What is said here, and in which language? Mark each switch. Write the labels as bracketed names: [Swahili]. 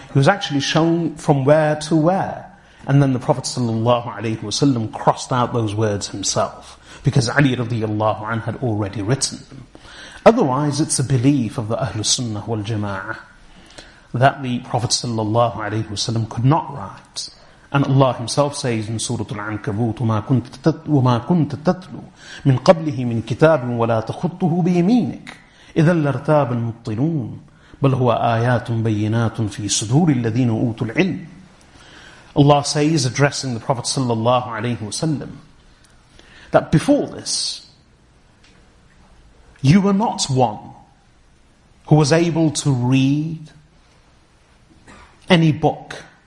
[English] He was actually shown from where to where. And then the Prophet sallallahu alaihi wasallam crossed out those words himself, because Ali radiallahu anhu had already written them. Otherwise, it's a belief of the Ahlul Sunnah wal Jama'ah that the Prophet sallallahu alaihi wasallam could not write. And Allah himself says in Surah Al-Ankabut, [Arabic] وَمَا كُنْتَ تَتْلُوا مِنْ قَبْلِهِ مِنْ كِتَابٍ وَلَا تَخُطُّهُ بِيَمِينِكَ إِذَا لَرْتَابَ الْمُطِّلُونَ بَلْ هُوَ آيَاتٌ بَيِّنَاتٌ فِي صُدُورِ الَّذِينَ أُوتُوا الْعِلْمَ. [English] Allah says, addressing the Prophet sallallahu alaihi wasallam, that before this, you were not one who was able to read any book.